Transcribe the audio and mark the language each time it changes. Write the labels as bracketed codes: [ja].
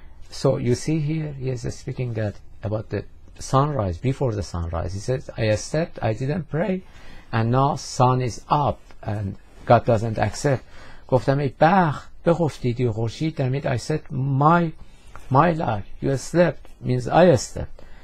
[en] So you see here he is speaking that about the sunrise, before the sunrise. He says I stepped, I didn't pray, and now sun is up and God doesn't accept. [fa] گفتم ای بخت بخفتیدی و خورشید دمید. [en] I said my luck, you slept, means I stepped.